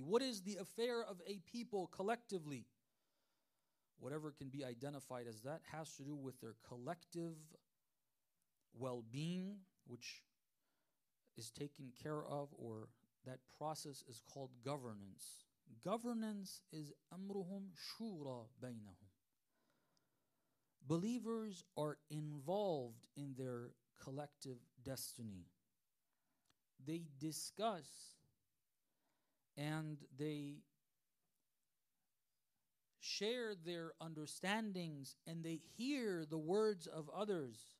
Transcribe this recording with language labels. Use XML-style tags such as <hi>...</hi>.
<en>What is the affair of a people collectively? Whatever can be identified as that has to do with their collective well-being, which is taken care of, or that process is called governance. Governance is</en> <ar>أَمْرُهُمْ شُورَ بَيْنَهُمْ.</ar> <en>Believers are involved in their collective destiny. They discuss and they share their understandings and they hear the words of others.</en>